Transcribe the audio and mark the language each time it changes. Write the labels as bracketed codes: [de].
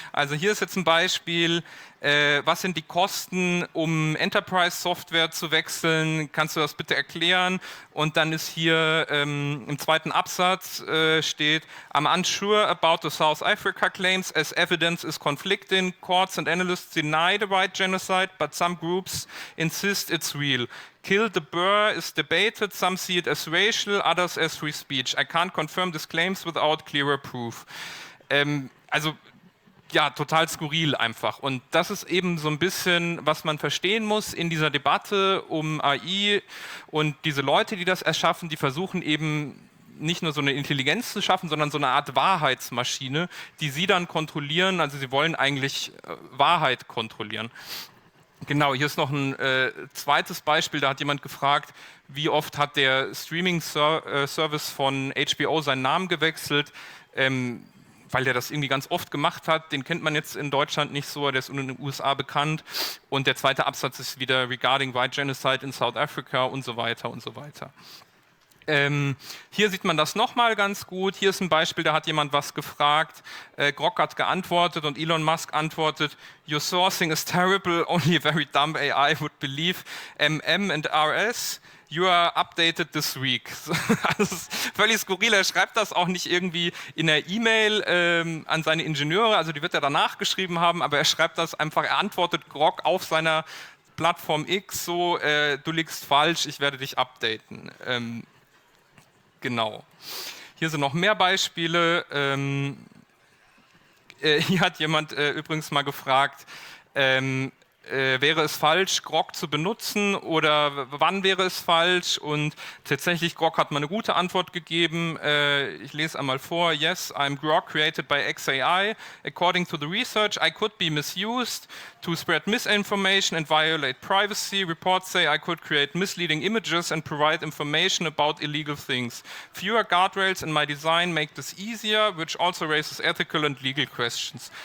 [de] Also hier ist jetzt ein Beispiel, was sind die Kosten, um Enterprise-Software zu wechseln? Kannst du das bitte erklären? Und dann ist hier im zweiten Absatz steht, [en] I'm unsure about the South Africa claims as evidence is conflicting. Courts and analysts deny the white genocide, but some groups insist it's real. Kill the Boer is debated, some see it as racial, others as free speech. I can't confirm these claims without clearer proof. [de] Also, ja, total skurril einfach. Und das ist eben so ein bisschen, was man verstehen muss in dieser Debatte um AI und diese Leute, die das erschaffen, die versuchen eben nicht nur so eine Intelligenz zu schaffen, sondern so eine Art Wahrheitsmaschine, die sie dann kontrollieren. Also sie wollen eigentlich Wahrheit kontrollieren. Genau, hier ist noch ein zweites Beispiel, da hat jemand gefragt, wie oft hat der Streaming-Service von HBO seinen Namen gewechselt, weil der das irgendwie ganz oft gemacht hat, den kennt man jetzt in Deutschland nicht so, der ist in den USA bekannt und der zweite Absatz ist wieder [en] regarding white genocide in South Africa [de] und so weiter und so weiter. Hier sieht man das nochmal ganz gut. Hier ist ein Beispiel, da hat jemand was gefragt. Grok hat geantwortet und Elon Musk antwortet, [en] your sourcing is terrible, only a very dumb AI would believe. MM and RS, you are updated this week. [de] Also das ist völlig skurril. Er schreibt das auch nicht irgendwie in der E-Mail an seine Ingenieure, also die wird er danach geschrieben haben, aber er schreibt das einfach, er antwortet Grok auf seiner Plattform X so, du liegst falsch, ich werde dich updaten. Genau. Hier sind noch mehr Beispiele. Hier hat jemand übrigens mal gefragt, wäre es falsch, Grok zu benutzen oder wann wäre es falsch? Und tatsächlich, Grok hat mal eine gute Antwort gegeben. Ich lese einmal vor. [en] Yes, I'm Grok, created by XAI. According to the research, I could be misused to spread misinformation and violate privacy. Reports say I could create misleading images and provide information about illegal things. Fewer guardrails in my design make this easier, which also raises ethical and legal questions.